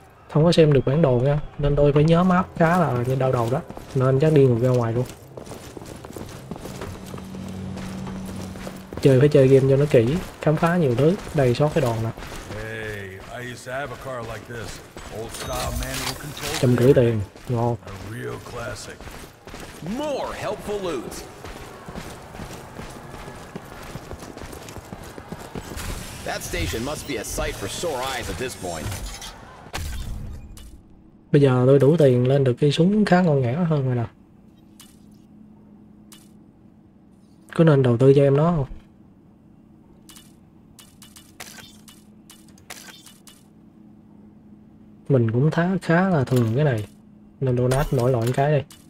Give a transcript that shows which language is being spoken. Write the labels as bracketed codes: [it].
[vi] Không có xem được bản đồ nha, nên tôi phải nhớ map khá là như đau đầu đó. Nên chắc đi ngược ra ngoài luôn. Chơi phải chơi game cho nó kỹ, khám phá nhiều thứ, đầy sót cái đòn nè. [en] Hey, I used to have a car like this. Old style manual control. [vi] 150 tiền, ngon. [en] A real classic. More helpful loot. That station must be a sight for sore eyes at this point. [vi] Bây giờ tôi đủ tiền lên được cây súng khá ngon nghẻ hơn rồi nè. Có nên đầu tư cho em nó không? Mình cũng khá là thường cái này. Nên donut nổi loạn cái đi.